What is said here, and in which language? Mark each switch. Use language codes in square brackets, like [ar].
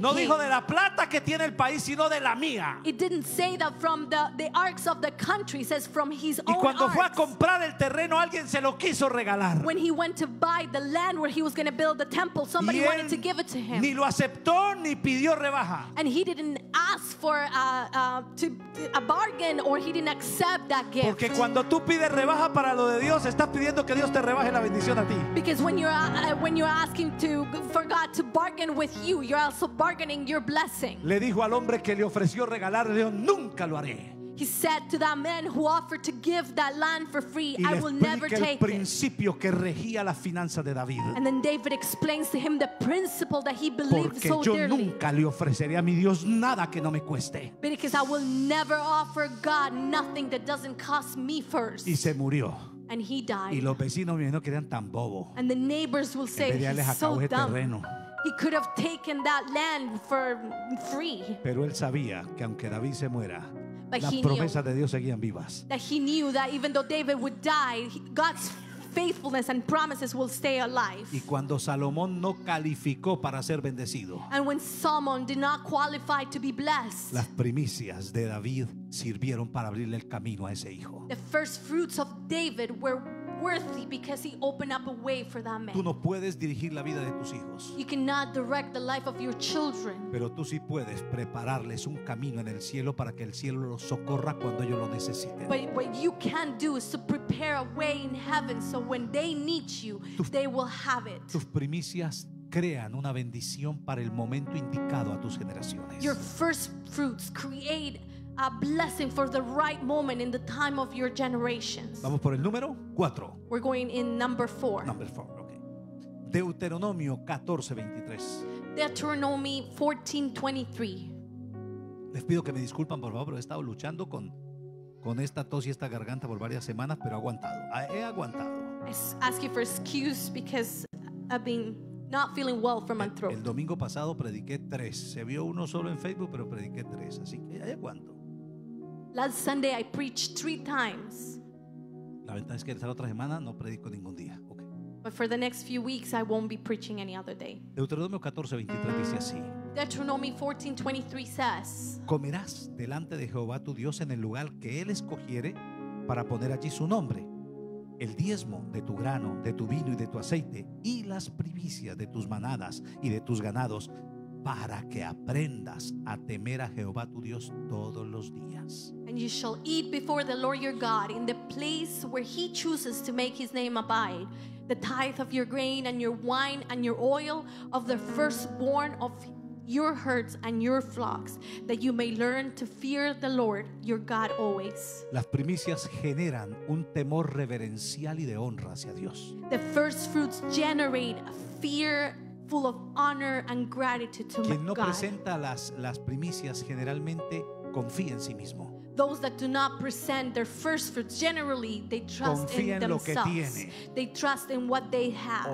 [es] no [en] king, [es] no dijo de la plata que tiene el país, sino de la mía. [en] It didn't say that from the arks of the country, it says from his own arks. [es] Y cuando [en] arks, [es] fue a comprar el terreno, alguien se lo quiso regalar. [en] When he went to buy the land where he was going to build the temple, somebody wanted to give it to him. [es] Ni lo aceptó ni pidió rebaja. [en] And he didn't ask for a bargain, or he didn't accept that gift. [es] Porque cuando tú pides rebaja para lo de Dios, estás pidiendo que Dios te rebaje la bendición a ti. [en] Because when you're asking for God to bargain with you, you're also bargaining your blessing. [es] Le dijo al hombre que le ofreció regalar, le dijo, nunca lo haré. [en] He said to that man who offered to give that land for free, I will never take it. [es] Y le explica el principio que regía las finanzas de David. [en] And then David explains to him the principle that he believed so dearly. [es] Porque yo nunca le ofreceré a mi Dios nada que no me cueste. [en] Because I will never offer God nothing that doesn't cost me first. [es] Y se murió. [en] And he died. [es] Y los vecinos me dijeron que eran tan bobo. [en] And the neighbors will say he's so dumb. He could have taken that land for free. [es] Pero él sabía que aunque David se muera, las promesas de Dios seguían vivas. [en] That he knew that even though David would die, God's faithfulness and promises will stay alive. [es] Y cuando Salomón no calificó para ser bendecido, [en] and when Solomon did not qualify to be blessed, [es] las primicias de David sirvieron para abrirle el camino a ese hijo. [en] The first fruits of David were worthy because he opened up a way for that man. [es] Tú no puedes dirigir la vida de tus hijos. [en] You cannot direct the life of your children. [es] Pero tú sí puedes prepararles un camino en el cielo para que el cielo los socorra cuando ellos lo necesiten. [en] But what you can do is to prepare a way in heaven so when they need you, they will have it. [es] Tus primicias crean una bendición para el momento indicado a tus generaciones. [en] Your first fruits create a blessing for the right moment in the time of your generations. [es] Vamos por el número 4. [en] We're going in number 4. Number 4, okay. Deuteronomio 14:23. Deuteronomy 14:23. [es] Les pido que me disculpan, por favor, pero he estado luchando con esta tos y esta garganta por varias semanas, pero he aguantado. [en] I ask you for excuse because I've been not feeling well from my throat. [es] El domingo pasado prediqué tres. Se vio uno solo en Facebook, pero prediqué tres. Así que ¿hay cuánto? [en] Last Sunday I preached three times. [es] La ventaja es que la otra semana no predico ningún día. [en] Okay. But for the next few weeks I won't be preaching any other day. [es] Deuteronomio 14:23 dice así. [en] Deuteronomy 14:23 says. [es] Comerás delante de Jehová tu Dios en el lugar que él escogiere para poner allí su nombre. El diezmo de tu grano, de tu vino y de tu aceite, y las primicias de tus manadas y de tus ganados, para que aprendas a temer a Jehová tu Dios todos los días. [en] And you shall eat before the Lord your God in the place where he chooses to make his name abide, the tithe of your grain and your wine and your oil, of the firstborn of your herds and your flocks, that you may learn to fear the Lord your God always. [es] Las primicias generan un temor reverencial y de honra hacia Dios. [en] The first fruits generate a fear full of honor and gratitude to God. [es] Quien no presenta las primicias generalmente confía en sí mismo. [en] Those that do not present their first fruits, generally they trust [es] confía [en] in [es] en [en] themselves. [es] Lo que tiene. [en] They trust in what they have.